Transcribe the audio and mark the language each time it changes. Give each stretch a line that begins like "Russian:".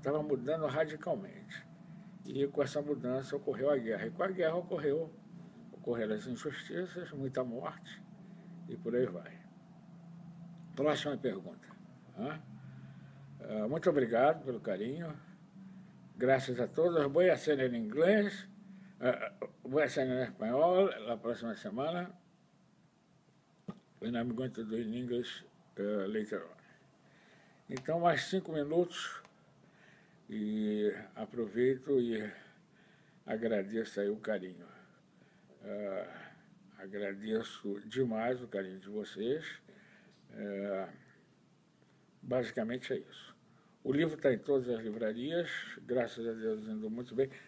Portuguese: Estava mudando radicalmente. E com essa mudança ocorreu a guerra. E com a guerra ocorreram as injustiças, muita morte e por aí vai. Próxima pergunta, né? Muito obrigado pelo carinho. Graças a todos. Vou assinar em inglês, vou assinar em espanhol na próxima semana.
English: And I'm going to do in English later on.
Portuguese: Então, mais 5 minutos e aproveito e agradeço aí o carinho. Agradeço demais o carinho de vocês. Basicamente é isso. O livro está em todas as livrarias, graças a Deus, indo muito bem.